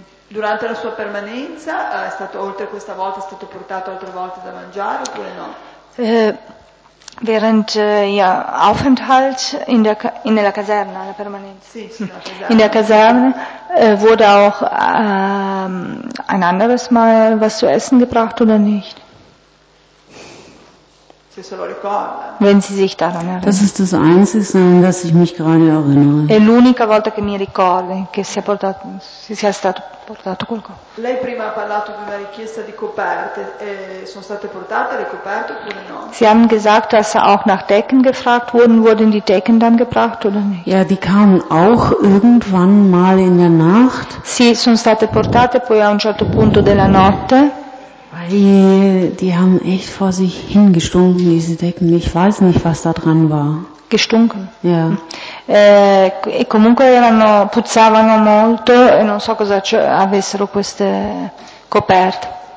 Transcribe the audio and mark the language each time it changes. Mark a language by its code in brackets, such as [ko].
[it] Durante la sua permanenza è stato oltre questa volta è stato portato altre volte da mangiare oppure no? [de] Während ihr Aufenthalt in der Kaserne, [it] la permanenza, sì, [de] in der Kaserne, wurde auch ein anderes Mal was zu essen gebracht oder nicht? [it] Se se lo ricorda. [de] Wenn Sie sich daran erinnern. Das ist das Einzige, an das ich mich gerade erinnere. [it] È l'unica volta che mi ricordi che sia stato portato qualcosa. Lei prima ha parlato di una richiesta di coperte, sono state portate le coperte oppure no? [de] Sie haben gesagt, dass auch nach Decken gefragt wurden die Decken dann gebracht oder nicht? Ja, die kamen auch irgendwann mal in der Nacht. [it] Sì, sono state portate poi a un certo punto della notte. [de] Die haben echt vor sich hingestunken, diese Decken. Ich weiß nicht, was da dran war. Gestunken? Ja. [it] E comunque puzzavano molto e non so cosa avessero queste coperte.